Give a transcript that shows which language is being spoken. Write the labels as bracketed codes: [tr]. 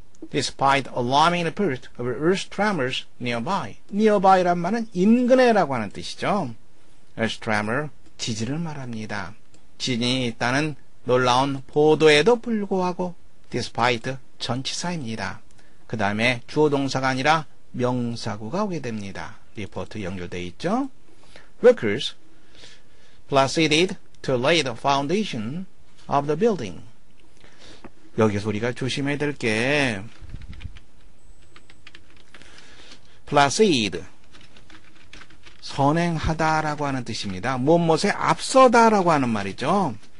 [en] Despite alarming reports of earth tremors nearby. [ko] nearby란 말은 인근에라고 하는 뜻이죠. earth tremor, 지진을 말합니다. 지진이 있다는 놀라운 보도에도 불구하고 despite, 전치사입니다. 그 다음에 주어 동사가 아니라 명사구가 오게 됩니다. 리포트 연결되어 있죠. [en] Workers proceeded to lay the foundation of the building. [ko] 여기서 우리가 조심해야 될 게 proceed 선행하다 라고 하는 뜻입니다. 무엇무엇에 앞서다 라고 하는 말이죠.